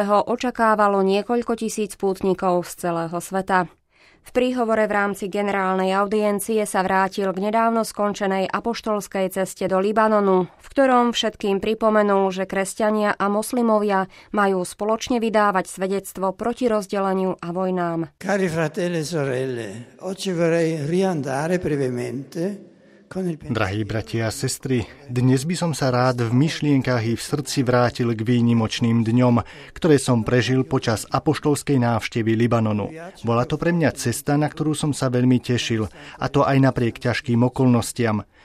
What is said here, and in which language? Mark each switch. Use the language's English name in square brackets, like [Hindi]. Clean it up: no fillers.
[Slovak] Očakávalo niekoľko tisíc pútnikov z celého sveta. V príhovore v rámci generálnej audiencie sa vrátil k nedávno skončenej apoštolskej ceste do Libanonu, v ktorom všetkým pripomenul, že kresťania a moslimovia majú spoločne vydávať svedectvo proti rozdeleniu a vojnám. [Italian] Cari fratelli e sorelle, oggi vorrei riandare brevemente. [Slovak] Drahí bratia a sestry, dnes by som sa rád v myšlienkach i v srdci vrátil k výnimočným dňom, ktoré som prežil počas apoštolskej návštevy Libanonu. Bola to pre mňa cesta, na ktorú som sa veľmi tešil, a to aj napriek ťažkým okolnostiam.